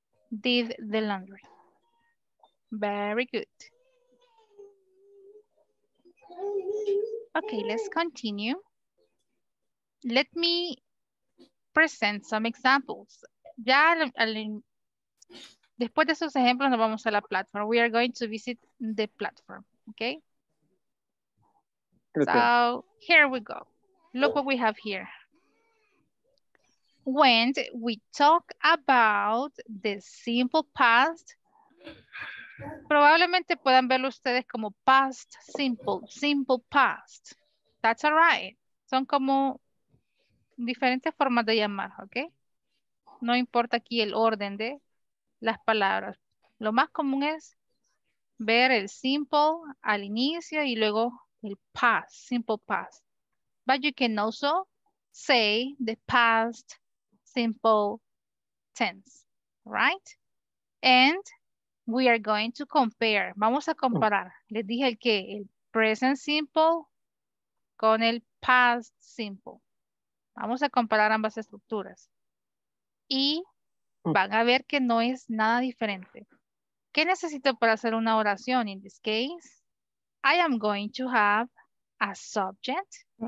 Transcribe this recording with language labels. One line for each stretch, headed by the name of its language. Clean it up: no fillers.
English: Did the laundry. Very good. Okay, let's continue. Let me present some examples.
Spanish: Ya después de esos ejemplos nos vamos a la plataforma.
English: We are going to visit the platform, okay? Okay. So, here we go. Look what we have here. When we talk about the simple past,
Spanish: probablemente puedan verlo ustedes como past
English: simple, simple past. That's all right.
Spanish: Son como diferentes formas de llamar, okay? No importa aquí el orden de las palabras. Lo más común es ver el simple al inicio y luego el past, simple past.
English: But you can also say the past simple tense, right? And we are going to compare.
Spanish: Vamos a comparar. Les dije el que el present simple con el past simple. Vamos a comparar ambas estructuras. Y van a ver que no es nada diferente. ¿Qué necesito para hacer una oración?
English: In this case, I am going to have a subject.